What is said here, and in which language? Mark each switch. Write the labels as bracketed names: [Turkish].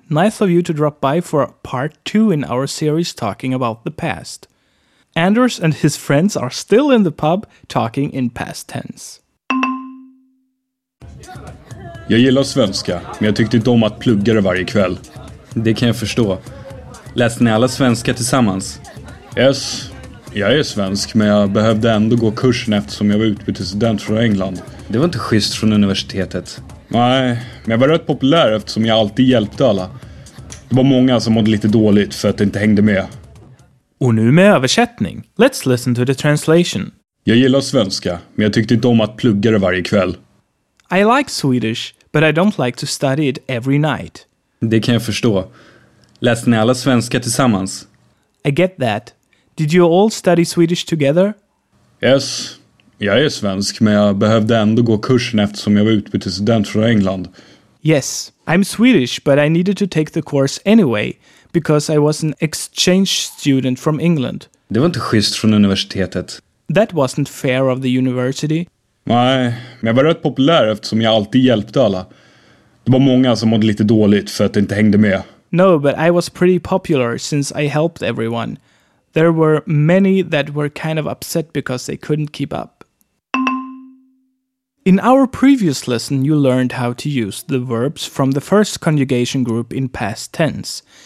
[English] Nice of you to drop by for part 2 in our series talking about the past. Anders and his friends are still in the pub talking in past tense. [Swedish] Jag gillar svenska, men jag tyckte inte om att plugga det varje kväll. Det kan jag förstå. Läste ni alla svenska tillsammans? Yes, jag är svensk, men jag behövde ändå gå kursen eftersom jag var utbytesstudent från England. Det var inte schysst från universitetet. Nej, men jag var rätt populär eftersom jag alltid hjälpte alla. Det var många som mådde lite dåligt för att det inte hängde med. Och nu med översättning. [English] Let's listen to the translation. [Swedish] Jag gillar svenska, men jag tyckte inte om att plugga det varje kväll. [English] I like Swedish, but I don't like to study it every night. [Swedish] Det kan jag förstå. Läste ni alla svenska tillsammans? [English] I get that. Did you all study Swedish together? Yes. [Swedish] Jag är svensk, men jag behövde ändå gå kursen eftersom jag var utbytesstudent från England. [English] Yes, I'm Swedish, but I needed to take the course anyway, because I was an exchange student from England. [Swedish] Det var inte schysst från universitetet. [English] That wasn't fair of the university. [Swedish] Nej, men jag var rätt populär eftersom jag alltid hjälpte alla. Det var många som mådde lite dåligt för att det inte hängde med. [English] No, but I was pretty popular since I helped everyone. There were many that were kind of upset because they couldn't keep up. In our previous lesson, you learned how to use the verbs from the first conjugation group in past tense.